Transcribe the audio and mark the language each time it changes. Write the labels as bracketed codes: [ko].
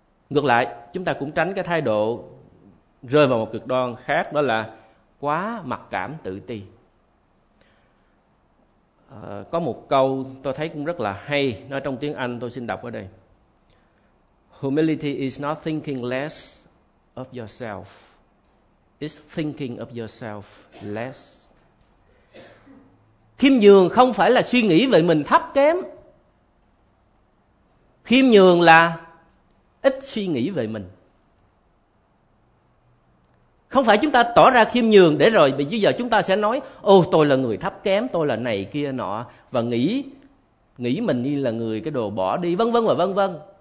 [vi] Ngược lại, chúng ta cũng tránh cái thái độ rơi vào một cực đoan khác, đó là quá mặc cảm tự ti. Có một câu tôi thấy cũng rất là hay, nó trong tiếng Anh, tôi xin đọc ở đây. [en] Humility is not thinking less of yourself. It's thinking of yourself less. [vi] Khiêm nhường không phải là suy nghĩ về mình thấp kém. Khiêm nhường là ít suy nghĩ về mình. Không phải chúng ta tỏ ra khiêm nhường để rồi bây giờ chúng ta sẽ nói ô tôi là người thấp kém, tôi là này kia nọ, và nghĩ mình như là người cái đồ bỏ đi, vân vân và vân vân.